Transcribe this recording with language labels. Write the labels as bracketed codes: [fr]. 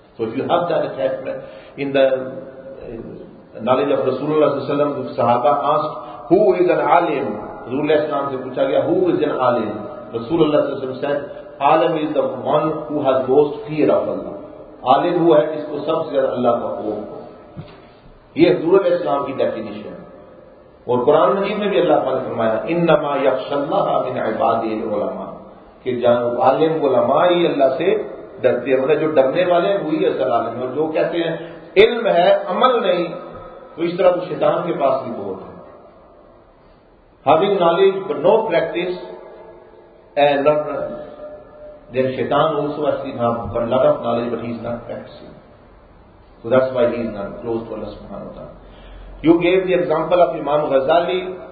[en] So if you have that attachment, in the knowledge of Rasulullah sallallahu alayhi wa sallam, the Sahaba asked, who is an alim? Rasulullah sallallahu alayhi wa sallam, who is an alim? Rasulullah sallallahu alayhi wa sallam said, alim is the one who has most fear of Allah. Alim who has [ur] isko sabse zyada Allah ka khauf. یہ حضور علیہ السلام کی definition ہے. اور قرآن مجید میں بھی اللہ تعالیٰ نے فرمایا انما یخش اللہ من عباده العلماء, کہ جان عالم علماء ہی اللہ سے ڈرتے ہیں. جو ڈرنے والے ہیں وہی اصل عالم ہیں. اور جو کہتے ہیں علم ہے عمل نہیں, تو اس طرح تو شیطان کے پاس بھی بہت ہے. [en] Having knowledge but no practice and not then شیطان also has seen a lot of knowledge but he is not practicing. So that's why he is not close to Allah subhanahu wa ta'ala. You gave the example of Imam Ghazali.